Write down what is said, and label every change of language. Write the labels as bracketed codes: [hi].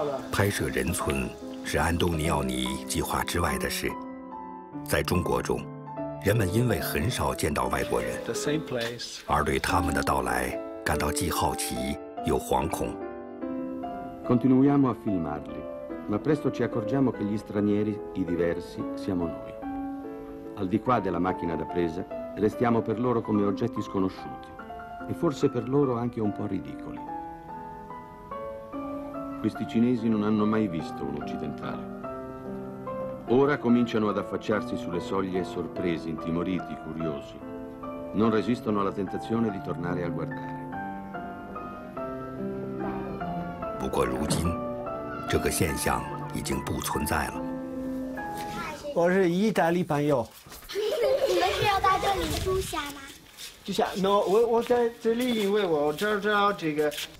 [zh] 拍摄人村是安东尼奥尼计划之外的事。在中国中，人们因为很少见到外国人，而对他们的到来感到既好奇又惶恐。 [it] Continuiamo a filmarli, ma presto ci accorgiamo che gli stranieri, i diversi, siamo noi. Al di qua della macchina da presa, restiamo per loro come oggetti sconosciuti e forse per loro anche un po' ridicoli. Questi cinesi non hanno mai visto un occidentale. Ora cominciano ad affacciarsi sulle soglie sorpresi, intimoriti, curiosi. Non resistono alla tentazione di tornare a guardare. [zh] 不过如今，这个现象已经不存在了。我是意大利朋友。你们是要到这里住下吗？住下 ？No， 我在这里，因为我知道这个。